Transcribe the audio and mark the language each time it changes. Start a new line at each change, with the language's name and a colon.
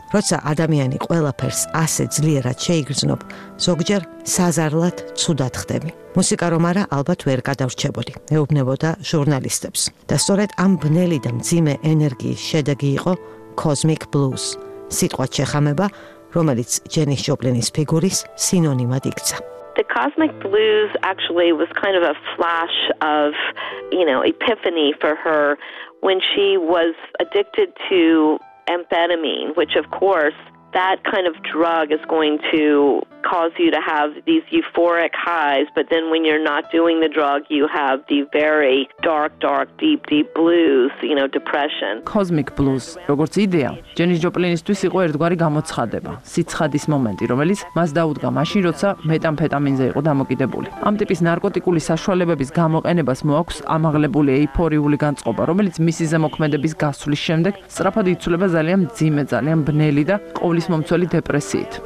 Georgian: როცა ადამიანი ყველაფერს ასე ძლიერად შეიგრძნობ, ზოგჯერ საზარლად ცუდად ხდები. მუსიკა რომ არა, ალბათ ვერ გადარჩებოდი, ეუბნებოდა ჟურნალისტებს. და სწორედ ამ ბნელი და მძიმე ენერგიის შედეგი იყო Cosmic Blues, სიტყვა ჩეხამება, რომელიც ჯენის ჯოპლინის ფიგურის სინონიმად იქცა.
English: The Cosmic Blues actually was kind of a flash of, you know, epiphany for her when she was addicted to amphetamine, which of course that kind of drug is going to cause you to have these euphoric highs, but then when you're not doing the drug you have the very dark deep blues, you know, depression.
Georgian: Cosmic blues, როგორც იდეა, ჯენის ჯოპლინისთვის იყო ერთგვარი გამოცხადება, სიცხადის მომენტი, რომელიც მას დაუდგა მაშინ, როცა მეტამფეტამინზე იყო დამოკიდებული. ამ ტიპის ნარკოტიკული საშუალებების გამოყენებას მოაქვს ამაღლებული ეიფორიული განწყობა, რომელიც მისი ზემოქმედების გასვლის შემდეგ სწრაფად იცვლება ძალიან მძიმე, ძალიან ბნელი და ყოვლისმომცველი დეპრესიით.